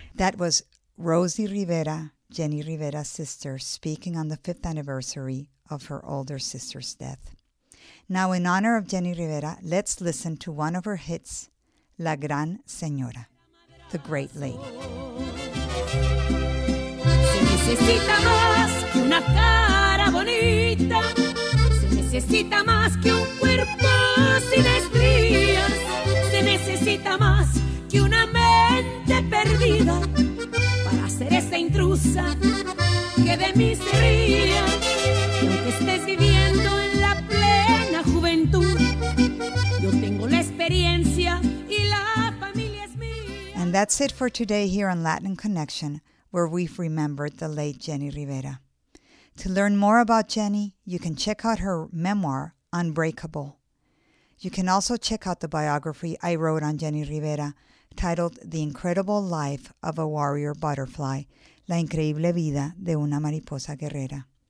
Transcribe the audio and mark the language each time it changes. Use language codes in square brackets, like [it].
[en] That was Rosie Rivera, Jenny Rivera's sister, speaking on the fifth anniversary of her older sister's death. Now, in honor of Jenny Rivera, let's listen to one of her hits, La Gran Señora, The Great Lady. [es] Se necesita más que una cara bonita. Se necesita más que un cuerpo sin estrías. Se necesita más que una mente perdida para ser esa intrusa que de mí se ría. Y aunque estés viviendo en la plena juventud, yo tengo la experiencia y la familia es mía. [en] And that's it for today here on Latin Connection, where we've remembered the late Jenny Rivera. To learn more about Jenny, you can check out her memoir, Unbreakable. You can also check out the biography I wrote on Jenny Rivera, titled The Incredible Life of a Warrior Butterfly, La Increíble Vida de una Mariposa Guerrera.